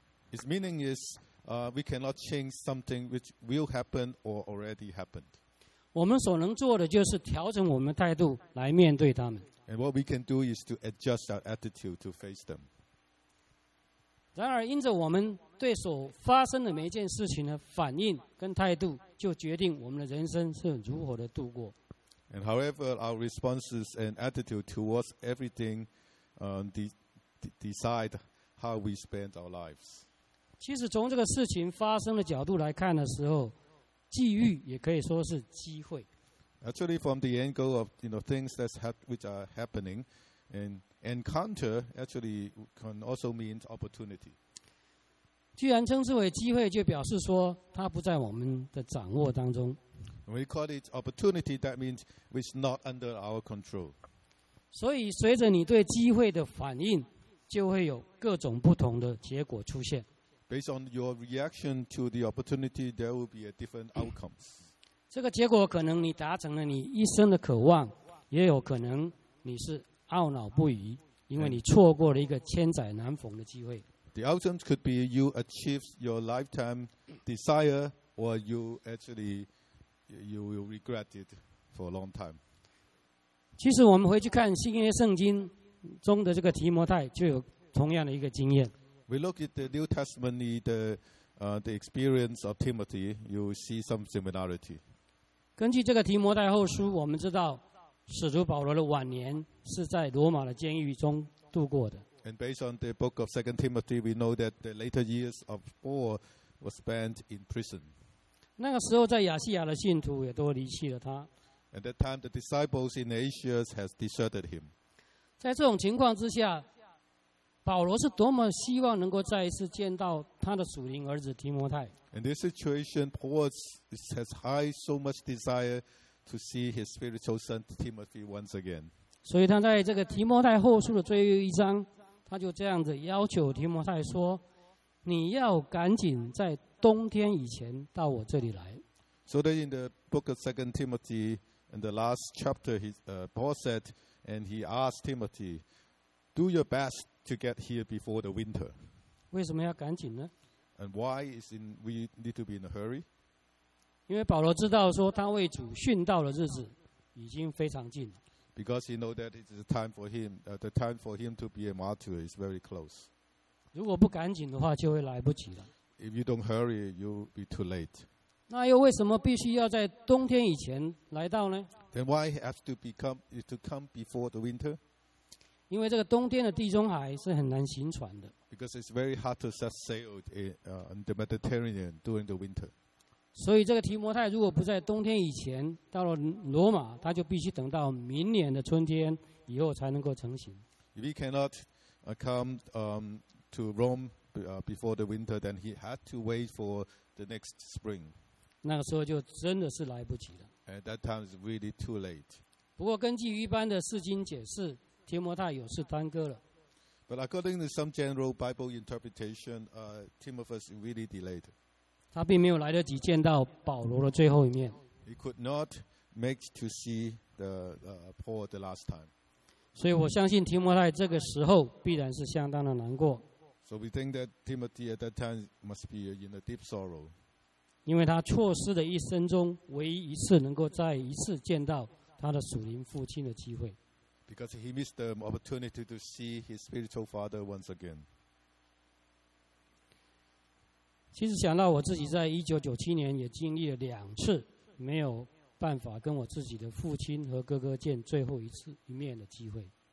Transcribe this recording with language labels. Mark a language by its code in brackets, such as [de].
[en] His meaning is, we cannot change something which will happen or already happened. [zh] 我们所能做的就是调整我们的态度来面对他们。 [en] And what we can do is to adjust our attitude to face them. [zh] 然而，因着我们对所发生的每一件事情的反应跟态度，就决定我们的人生是如何的度过。 [en] And however, our responses and attitude towards everything, decide how we spend our lives. [zh] 其实从这个事情发生的角度来看的时候，际遇也可以说是机会。 [en] Actually, from the angle of things that which are happening, and encounter actually can also mean opportunity. [zh] 既然称之为机会，就表示说它不在我们的掌握当中。 [en] We call it opportunity, that means it's not under our control. [zh] 所以随着你对机会的反应，就会有各种不同的结果出现。 [en] Based on your reaction to the opportunity, there will be a different outcomes. [zh] 这个结果可能你达成了你一生的渴望，也有可能你是懊恼不已，因为你错过了一个千载难逢的机会。 [en] The outcomes could be you achieve your lifetime desire, or you actually you will regret it for a long time. [zh] 其实我们回去看新约圣经中的这个提摩太，就有同样的一个经验。 [en] We look at the New Testament, the experience of Timothy, you see some similarity. [zh] 根据这个提摩太后书，我们知道使徒保罗的晚年是在罗马的监狱中度过的。 [en] And based on the book of 2 Timothy, we know that the later years of Paul were spent in prison. [zh] 那个时候在亚细亚的信徒也都离弃了他。 [en] At that time, the disciples in Asia has deserted him. [zh] 在这种情况之下，保罗是多么希望能够再一次见到他的属灵儿子提摩太。 [en] In this situation, Paul has high so much desire to see his spiritual son Timothy once again. [zh] 所以他在这个提摩太后书的最后一章，他就这样子要求提摩太说：“你要赶紧在冬天以前到我这里来。” [en] So that in the book of 2 Timothy, in the last chapter, Paul said, and he asked Timothy, "Do your best to get here before the winter." [zh] 为什么要赶紧呢 [en] ？And why is in we need to be in a hurry? [zh] 因为保罗知道说他为主殉道的日子已经非常近了。 [en] Because he knows that it is time for him, the time for him to be a martyr is very close. [zh] 如果不赶紧的话，就会来不及了。 [en] If you don't hurry, you'll be too late. [zh] 那又为什么必须要在冬天以前来到呢？ [en] Then why has to become is to come before the winter? [zh] 因为这个冬天的地中海是很难行船的。 [en] Because it's very hard to set sail in the Mediterranean during the winter. [zh] 所以这个提摩太如果不在冬天以前到了罗马，他就必须等到明年的春天以后才能够成行。 [en] If he cannot come to Rome before the winter, then he had to wait for the next spring. [zh] 那个时候就真的是来不及了。 [en] At that time, it's really too late. [zh] 不过根据一般的释经解释，提摩太有事耽搁了。 [en] But according to some general Bible interpretation, Timotheus really delayed. [zh] 他并没有来得及见到保罗的最后一面。 [en] He could not make to see the Paul the last time. [zh] 所以我相信提摩太这个时候必然是相当的难过。 [en] So we think that Timothy at that time must be in a deep sorrow. [zh] 因为他错失了一生中唯一一次能够再一次见到他的属灵父亲的机会。 [en] Because he missed the opportunity to see his spiritual father once again. [zh] 其实想到我自己在1997年也经历了两次没有办法跟我自己的父亲和哥哥见最后一次一面的机会。